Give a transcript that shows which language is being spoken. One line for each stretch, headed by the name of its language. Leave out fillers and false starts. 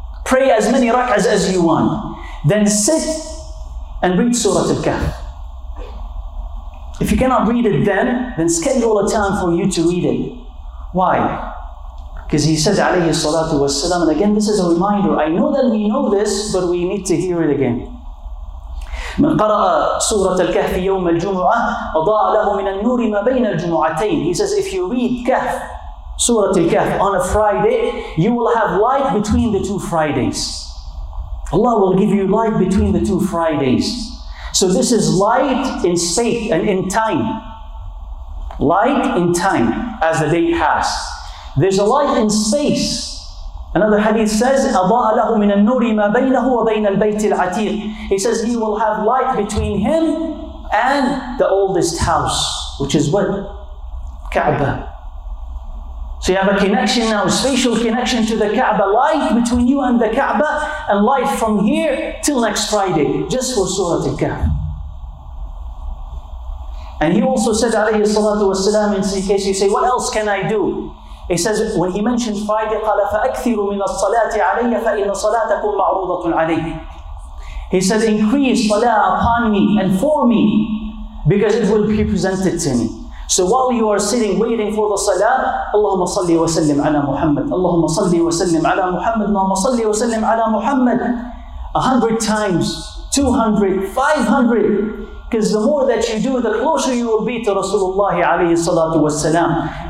English: Pray as many rak'ahs as you want. Then sit and read Surah Al-Kahf. If you cannot read it then schedule a time for you to read it. Why? Because he said alayhi salatu wasalam, and again, this is a reminder. I know that we know this, but we need to hear it again.
Arabic: من قرأ سورة الكهف يوم الجمعة أضاء له من النور ما بين الجمعتين.
English: He says, if you read Kahf, Surah Al-Kahf, on a Friday, you will have light between the two Fridays. Allah will give you light between the two Fridays. So this is light in space and in time. Light in time as the day passes. There's a light in space. Another hadith says,
Arabic: أَضَاءَ لَهُ مِنَ النُّورِ مَا بَيْنَهُ وَبَيْنَ الْبَيْتِ الْعَتِيرِ.
English: He says he will have light between him and the oldest house, which is what? Kaaba. So you have a connection now, a spatial connection to the Kaaba, light between you and the Kaaba, and light from here till next Friday, just for Surah Al-Kahf. And he also said, عليه الصلاة والسلام, in case you say, what else can I do? He says, when he mentioned Friday,
Arabic: قَالَ فَأَكْثِرُ مِنَ الصَّلَاةِ عَلَيَّ فَإِنَّ صَلَاتَكُمْ مَعْرُوضَةٌ عَلَيْهِ.
English: He says, increase salah upon me and for me, because it will be presented to me. So while you are sitting waiting for the salah,
Arabic: اللهم صلي وسلم على محمد,
English: اللهم صلي وسلم على محمد, اللهم صلي وسلم على محمد, 100 times, 200, 500, because the more that you do, the closer you will be to Rasulullah عليه الصلاة والسلام.